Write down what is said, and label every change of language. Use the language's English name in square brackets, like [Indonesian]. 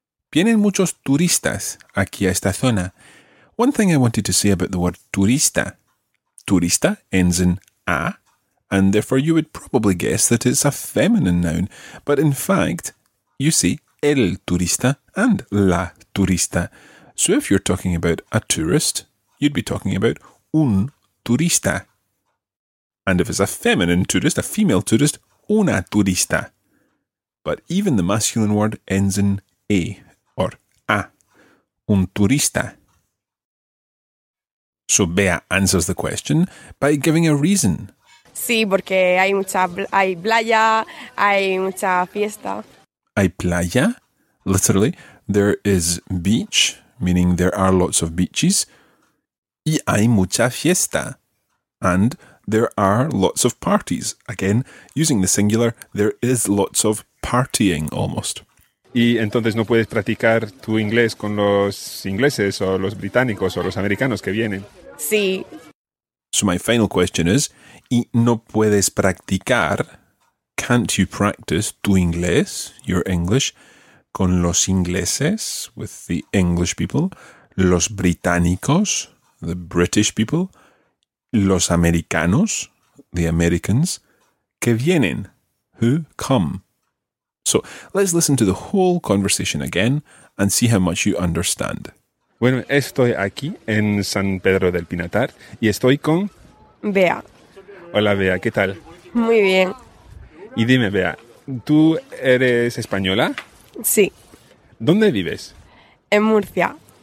[Spanish] ¿Vienen muchos turistas aquí a esta zona? [English] One thing I wanted to say about the word turista. Turista ends in a, and therefore you would probably guess that it's a feminine noun. But in fact, you see el turista and la turista. So if you're talking about a tourist, you'd be talking about un turista. And if it's a feminine tourist, a female tourist, una turista. But even the masculine word ends in a, or a, un turista. So Bea answers the question by giving a reason. [Spanish] Sí, porque hay playa, hay mucha fiesta. ¿Hay playa? [English] Literally, there is beach, meaning there are lots of beaches. [Spanish] Y hay mucha fiesta. [English] And there are lots of parties. Again, using the singular, there is lots of partying almost. [Spanish] Y entonces no puedes practicar tu inglés con los ingleses o los británicos o los americanos que vienen. Sí. [English] So my final question is, [Spanish] y no puedes practicar, [English] can't you practice [Spanish] tu inglés, [English] your English, [Spanish] con los ingleses, [English] with the English people, [Spanish] los británicos, [English] the British people, [Spanish] los americanos, [English] the Americans, [Spanish] que vienen, [English] who come. So let's listen to the whole conversation again and see how much you understand. [Spanish] Bueno, estoy aquí en San Pedro del Pinatar y estoy con... Bea. Hola, Bea, ¿qué tal? Muy bien. Y dime, Bea, ¿tú eres española? Sí. ¿Dónde vives? En Murcia.